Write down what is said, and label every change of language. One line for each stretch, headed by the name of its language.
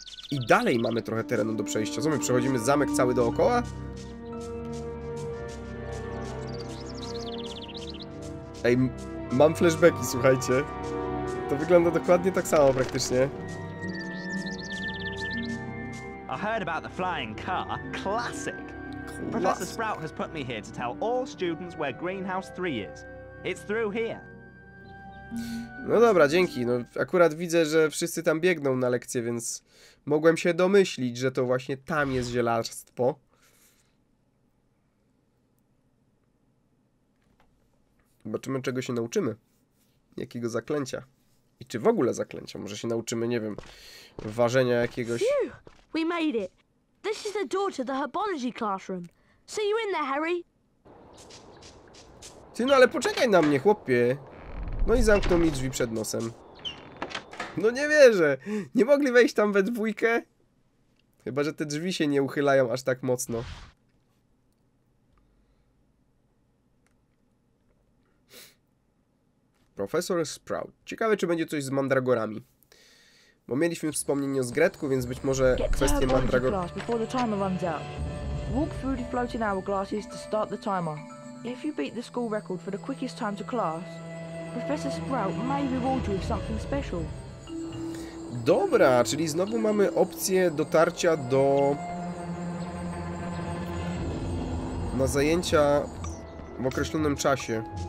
Polish: I dalej mamy trochę terenu do przejścia. Zobaczmy, przechodzimy zamek cały dookoła. Ej, mam flashbacki, słuchajcie. To wygląda dokładnie tak samo praktycznie.
English: I heard about the flying car. Classic. Professor Sprout has put me here to tell all students where Greenhouse 3 is. It's through here.
Polish: No dobra, dzięki. No akurat widzę, że wszyscy tam biegną na lekcję, więc mogłem się domyślić, że to właśnie tam jest zielarstwo. Zobaczymy, czego się nauczymy. Jakiego zaklęcia. I czy w ogóle zaklęcia. Może się nauczymy, nie wiem, ważenia jakiegoś.
English: Phew, we made it. This is the door to the herbology classroom. See you in there, Harry.
Polish: Ty, no ale poczekaj na mnie, chłopie. No i zamknął mi drzwi przed nosem. No nie wierzę. Nie mogli wejść tam we dwójkę? Chyba, że te drzwi się nie uchylają aż tak mocno. Profesor Sprout. Ciekawe, czy będzie coś z mandragorami. Bo mieliśmy wspomnienie z Gretku, więc być może kwestie mandragor...
English: Before the timer runs out. Walk through the floating hourglasses to start the timer. If you beat the school record for the quickest time to class, Professor Sprout may reward you with something special.
Polish: Dobra, czyli znowu mamy opcję dotarcia do... na zajęcia w określonym czasie.